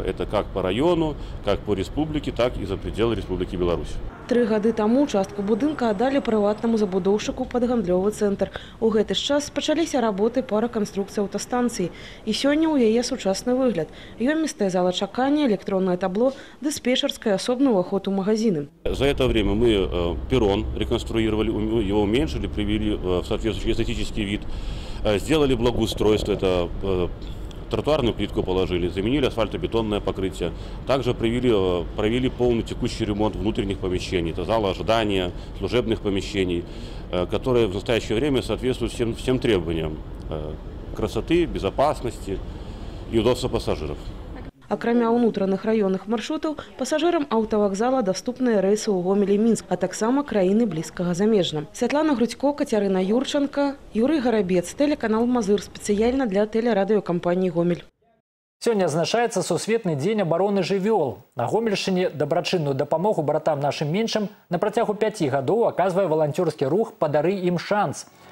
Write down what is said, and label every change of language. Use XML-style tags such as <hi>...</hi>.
<be>Это как па раёну, как па рэспубліке, так і за пределы Рэспублікі Беларусь. 3 гады таму частку будынка аддалі прыватнаму забудоўшчыку пад гандлёвы цэнтр. У гэты ж час пачаліся работы па рэканструкцыі аўтастанцыі. І сёння ў яе сучасны выгляд. Ёмістая зала чакання, электроннае табло, дыспетчарская, асобны ўваход у магазіны.</be> <ru>За это время мы перон реконструировали, его уменьшили, привели в соответствующий эстетический вид, сделали благоустройство, это тротуарную плитку положили, заменили асфальтобетонное покрытие. Также провели полный текущий ремонт внутренних помещений. Это зала ожидания, служебных помещений, которые в настоящее время соответствуют всем требованиям красоты, безопасности и удобства пассажиров.</ru> <be>Акрамя ўнутраных раённых маршрутаў, пасажырам аўтавакзала даступныя рэйсы ў Гомель і Мінск, а таксама краіны блізкага замежжа. Святлана Грудзько, Кацярына Юрчанка, Юрый Гарабец, тэлеканал «Мазыр», спецыяльна для тэлерадыёкампаніі «Гомель». Сёння адзначаецца сусветны дзень абароны жывёл. На Гомельшчыне дабрачынную дапамогу братам нашым меншым на працягу 5 гадоў аказвае валанцёрскі рух «Падары ім шанс».</be>